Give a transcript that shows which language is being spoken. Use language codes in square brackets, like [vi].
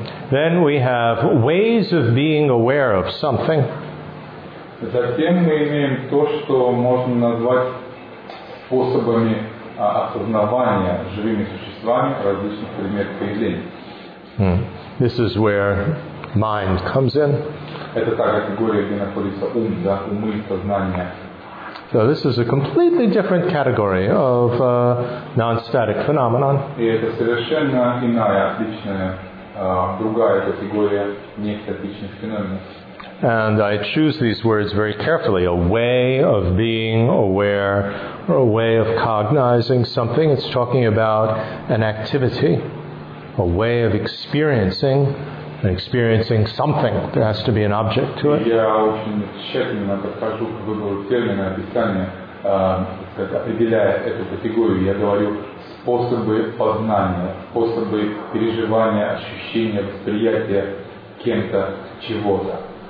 [en] Then we have ways of being aware of something. [ru] Затем мы имеем то, что можно назвать способами осознавания живыми существами различных предметов и явлений. [en] This is where mind comes in. [ru] Это та категория, где находится ум, да, умы, сознание. [en] So this is a completely different category of non-static phenomenon. [ru] И это совершенно иная, отличная, другая категория нестатичных феноменов. [en] And I choose these words very carefully, a way of being aware, or a way of cognizing something. It's talking about an activity, a way of experiencing, and experiencing something. There has to be an object to it. [ru] Я очень тщательно подхожу к выбору термина описания, определяя эту категорию. Я говорю способы познания, способы переживания, ощущения, восприятия кем-то, чего-то.